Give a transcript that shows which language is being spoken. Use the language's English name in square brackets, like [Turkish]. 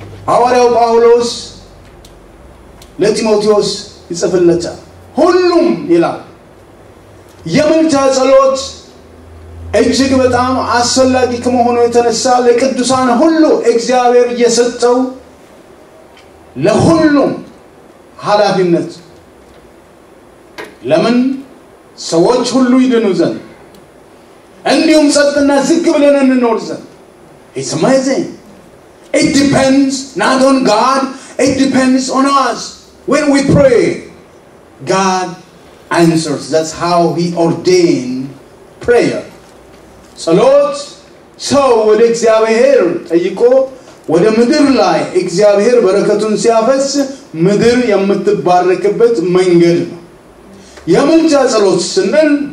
[Amharic] ሐዋርያው ጳውሎስ ለጢሞቴዎስ ይጽፍለታል ሁሉም ይላል የምልጃ ጸሎት እጅግ በጣም አስፈላጊ ከመሆኑ የተነሳ ለቅዱሳን ሁሉ እግዚአብሔር የሰጠው ለሁሉም ኃላፊነት ለምን ሰዎች ሁሉ ይድኑ ዘንድ እንዲሁም ጸጥና ዝግ ብለን እንኖር ዘንድ [English] It's amazing. It depends not on God, it depends on us. When we pray, God answers. That's how he ordained prayer. [Amharic] ጸሎት ሰው ወደ እግዚአብሔር ጠይቆ ወደ ምድር ላይ እግዚአብሔር በረከቱን ሲያፈስ ምድር የምትባረክበት መንገድ ነው። የምልጃ ጸሎት ስንል